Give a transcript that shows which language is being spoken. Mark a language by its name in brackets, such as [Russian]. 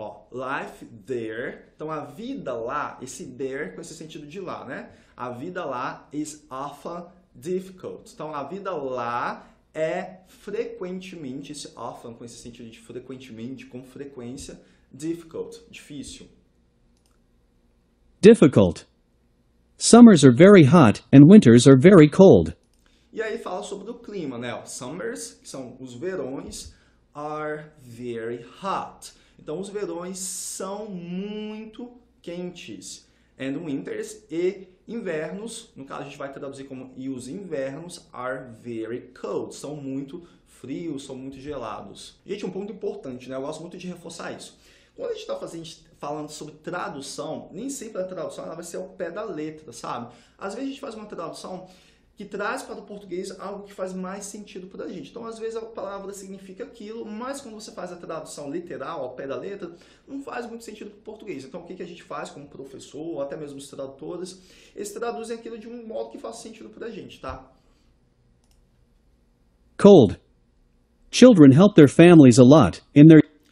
[English] Life there. [Portuguese] Então a vida lá, esse there com esse sentido de lá, né? A vida lá [English] is often difficult. [Portuguese] Então a vida lá é frequentemente, esse often com esse sentido de frequentemente, com frequência, difficult, difícil. [English] Difficult. Summers are very hot and winters are very cold. [Portuguese] E aí fala sobre o clima, né? Summers, que são os verões, [English] are very hot. [Portuguese] Então, os verões são muito quentes. And winters e invernos, no caso, a gente vai traduzir como e os invernos [English] are very cold. [Portuguese] São muito frios, são muito gelados. Gente, um ponto importante, né? Eu gosto muito de reforçar isso. Quando a gente está falando sobre tradução, nem sempre a tradução ela vai ser ao pé da letra, sabe? Às vezes a gente faz uma tradução que traz para o português algo que faz mais sentido para a gente. Então, às vezes, a palavra significa aquilo, mas quando você faz a tradução literal, ao pé da letra, não faz muito sentido para o português. Então, o que a gente faz como professor, ou até mesmo os tradutores, eles traduzem aquilo de um modo que faz sentido para a gente, tá? [English] Cold. Children help their families a lot in their...